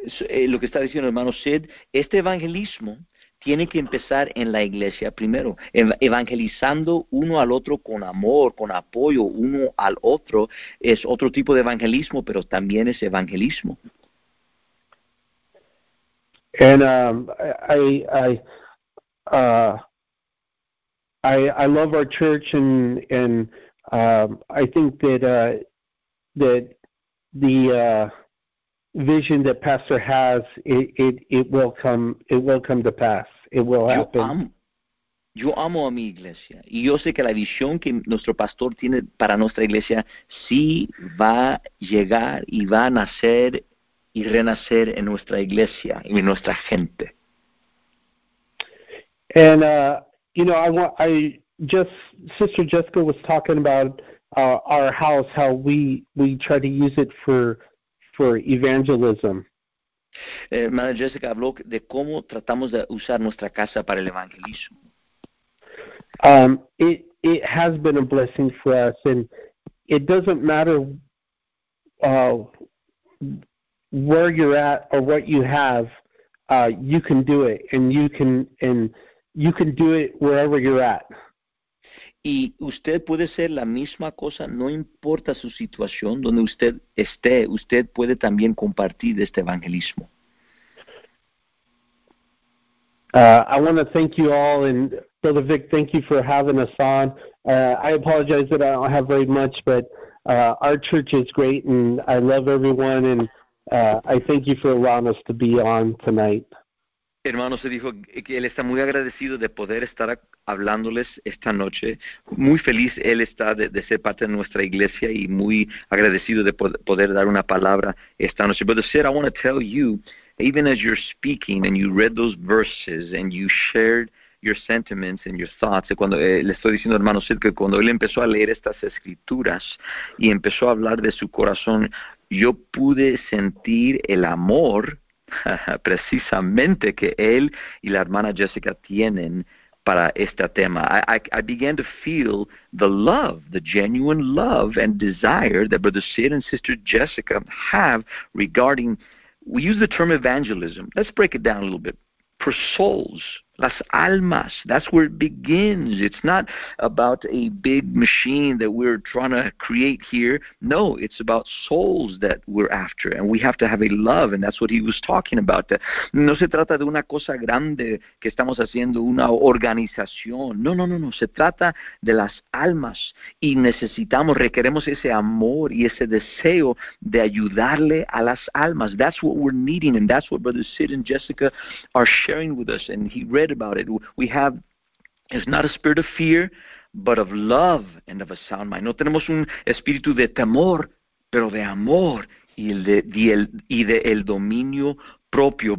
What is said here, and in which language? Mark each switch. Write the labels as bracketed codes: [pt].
[es] Lo que está diciendo hermano Sid, este evangelismo tiene que empezar en la iglesia primero, evangelizando uno al otro con amor, con apoyo uno al otro, es otro tipo de evangelismo, pero también es evangelismo. [en] And I love our church, and I think that the vision that Pastor has, it will come to pass. It will happen. [es] Yo amo a mi iglesia, y yo sé que la visión que nuestro pastor tiene para nuestra iglesia sí va a llegar y va a nacer y renacer en nuestra iglesia y en nuestra gente. [en] And you know, Sister Jessica was talking about our house, how we try to use it for evangelism. [es] Hermana Jessica habló de cómo tratamos de usar nuestra casa para el evangelismo. [en] It has been a blessing for us, and it doesn't matter where you're at or what you have, you can do it, and you can do it wherever you're at. [es] Y usted puede ser la misma cosa, no importa su situación, donde usted esté, usted puede también compartir este evangelismo. [en] I want to thank you all, and Brother Vic, thank you for having us on. I apologize that I don't have very much, but our church is great, and I love everyone, and I thank you for allowing us to be on tonight. [es] Hermano se dijo que él está muy agradecido de poder estar hablándoles esta noche. Muy feliz él está de ser parte de nuestra iglesia y muy agradecido de poder dar una palabra esta noche. [en] Brother Sid, I want to tell you, even as you're speaking and you read those verses and you shared your sentiments and your thoughts, [es] cuando le estoy diciendo a hermano Sid que cuando él empezó a leer estas escrituras y empezó a hablar de su corazón, yo pude sentir el amor precisamente que él y la hermana Jessica tienen para este tema. [en] I began to feel the love, the genuine love and desire that Brother Sid and Sister Jessica have regarding, we use the term evangelism. Let's break it down a little bit. For souls, [es] Las almas, [en] that's where it begins. It's not about a big machine that we're trying to create here. No, it's about souls that we're after, and we have to have a love, and that's what he was talking about. [es] No se trata de una cosa grande que estamos haciendo, una organización. No, no, no, no. Se trata de las almas, y necesitamos, requeremos ese amor y ese deseo de ayudarle a las almas. [en] That's what we're needing, and that's what Brothers Sid and Jessica are sharing with us, and he read about it. We have, it's not a spirit of fear, but of love and of a sound mind. [es] No tenemos un espíritu de temor, pero de amor y de el dominio propio.